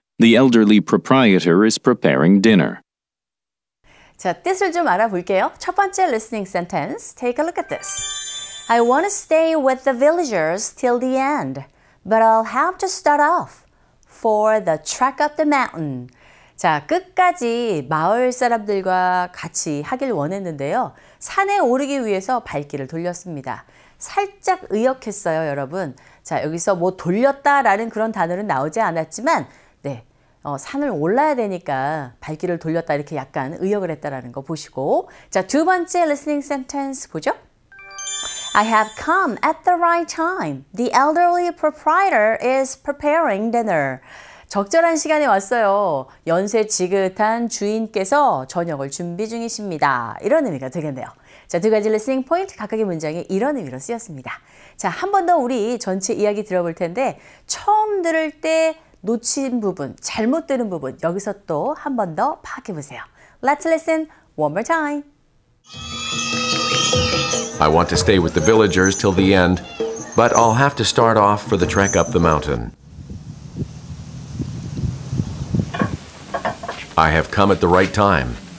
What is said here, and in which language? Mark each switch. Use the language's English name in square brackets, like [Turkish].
[English] The elderly proprietor is preparing dinner. [Korean] 자, 뜻을 좀 알아볼게요. 첫 번째 listening sentence. [English] Take a look at this. I want to stay with the villagers till the end, but I'll have to start off. For the trek up the mountain. [Korean] 자, 끝까지 마을 사람들과 같이 하길 원했는데요. 산에 오르기 위해서 발길을 돌렸습니다. 살짝 의역했어요, 여러분. 자, 여기서 뭐 돌렸다라는 그런 단어는 나오지 않았지만, 네, 산을 올라야 되니까 발길을 돌렸다 이렇게 약간 의역을 했다라는 거 보시고. 자, 두 번째 listening sentence 보죠. [English] I have come at the right time. The elderly proprietor is preparing dinner. [Korean] 적절한 시간에 왔어요. 연세 지긋한 주인께서 저녁을 준비 중이십니다. 이런 의미가 되겠네요. 자, 두 가지 리스닝 포인트 각각의 문장에 이런 의미로 쓰였습니다. 자, 한 번 더 우리 전체 이야기 들어볼 텐데 처음 들을 때 놓친 부분, 잘못 들은 부분 여기서 또 한 번 더 파악해 보세요. [English] Let's listen one more time. I want to stay with the villagers till the end, but I'll have to start off for the trek up the mountain. I have come at the right time.